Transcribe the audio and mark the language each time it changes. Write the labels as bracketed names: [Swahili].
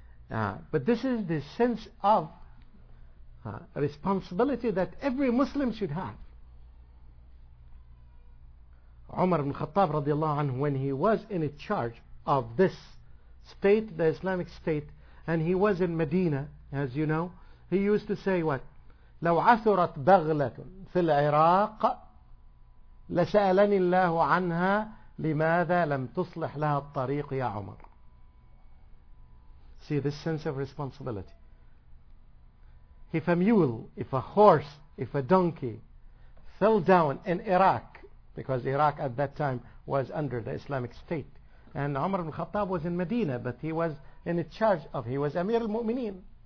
[English] But this is the sense of responsibility that every Muslim should have. Umar ibn Khattab radiallahu anhu, when he was in charge of this state, the Islamic state, and he was in Medina, as you know, he used to say what? [Arabic] لو عثرت بغلة في العراق لسألني الله عنها لماذا لم تصلح لها الطريق يا عمر؟ [English] See this sense of responsibility. If a mule, if a horse, if a donkey fell down in Iraq, because Iraq at that time was under the Islamic State, and Umar ibn Khattab was in Medina, but he was in charge of, he was Amir al-Mu'mineen.